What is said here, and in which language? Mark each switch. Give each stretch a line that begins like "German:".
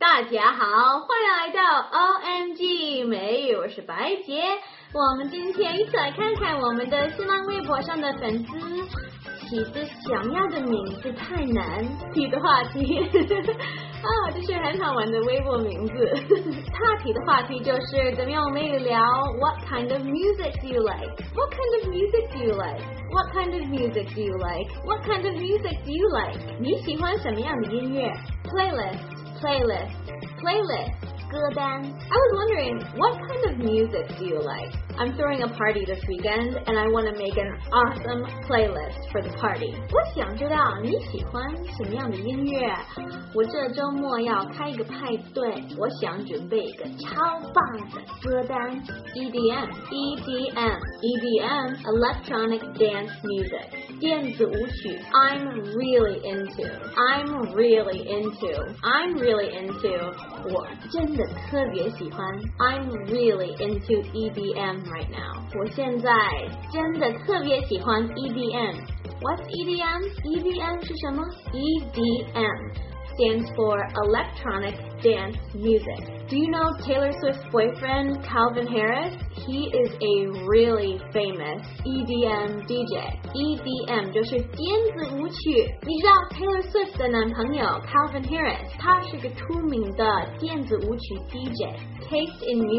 Chinese: 家好，欢迎来到 OMG 美语，我是白杰。我们今天一起来看看我们的新浪微博上的粉丝，其实想要的名字太难提的话题啊，这是很好玩的微博名字。他提的话题就是怎么样，我们也聊
English: What kind of music do you like? What kind of music do you like? What kind of music do you like? What kind of music do you like?
Chinese: 你喜欢什么样的音乐？ Playlist 歌单。
English: I was wondering, what kind of music do you like? I'm throwing a party this weekend, and I want to make an awesome playlist for the party.
Chinese: 我想知道你喜欢什么样的音乐。我这周末要开一个派对，我想准备一个超棒的歌单。
English: EDM, electronic dance music.
Chinese: 电子舞曲
English: I'm really into
Chinese: 我真的特别喜欢
English: I'm really into EDM right now
Chinese: 我现在真的特别喜欢
English: EDM What's EDM?
Chinese: EDM 是什么？
English: EDM stands for Electronic Dance Music Do you know Taylor Swift's boyfriend Calvin Harris? He is a really famous EDM DJ.
Chinese: EDM 就是电子舞曲。你知道 Taylor Swift 的男朋友 Calvin Harris， 他是个出名的电子舞曲 DJ。